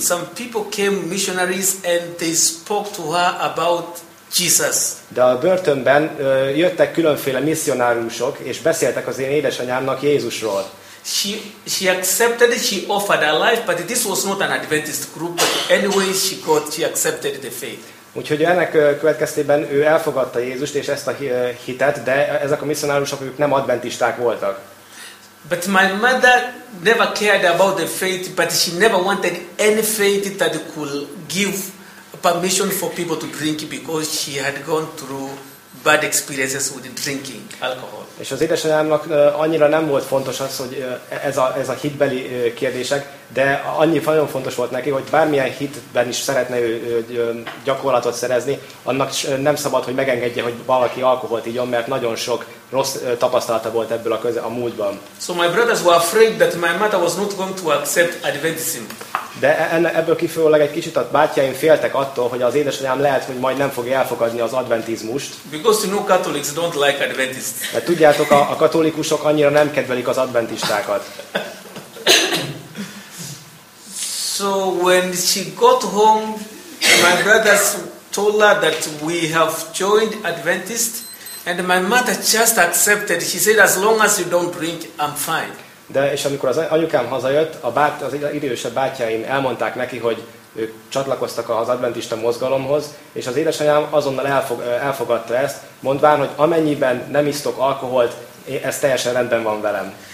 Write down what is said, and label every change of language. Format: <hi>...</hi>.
<en>Some people came, missionaries, and they spoke to her about Jesus.</en> <hu>De a börtönben jöttek különféle misszionáriusok, és beszéltek az én édesanyámnak Jézusról.</hu> <en>She accepted it, she offered her life, but this was not an Adventist group, but anyway she accepted the faith.</en> <hu>Úgyhogy ennek következtében ő elfogadta Jézust és ezt a hitet, de ezek a misszionáriusok ők nem adventisták voltak.</hu> <en>But my mother never cared about the faith, but she never wanted any faith that could give permission for people to drink because she had gone through bad experiences with drinking alcohol.</en> <hu>És az édesanyámnak annyira nem volt fontos az, hogy ez a hitbeli kérdések, de annyi nagyon fontos volt neki, hogy bármilyen hitben is szeretne gyakorlatot szerezni, annak nem szabad, hogy megengedje, hogy valaki alkoholt igyon, mert nagyon sok rossz tapasztalata volt ebből a múltban.</hu> <en>So my brothers were afraid that my mother was not going to accept Adventism.</en> <hu>De ebből kifolyólag egy kicsit a bátyáim féltek attól, hogy az édesanyám lehet, hogy majd nem fogja elfogadni az adventizmust.</hu> <en>Because you know Catholics don't like Adventists.</en> <hu>Mert tudjátok, a katolikusok annyira nem kedvelik az adventistákat.</hu> <en>So when she got home, my brothers told her that we have joined Adventist, and my mother just accepted. She said, as long as you don't drink, I'm fine.</en> <hu>De és amikor az anyukám hazajött, az idősebb bátyáim elmondták neki, hogy ők csatlakoztak az adventista mozgalomhoz, és az édesanyám azonnal elfogadta ezt, mondván, hogy amennyiben nem isztok alkoholt, ez teljesen rendben van velem.</hu>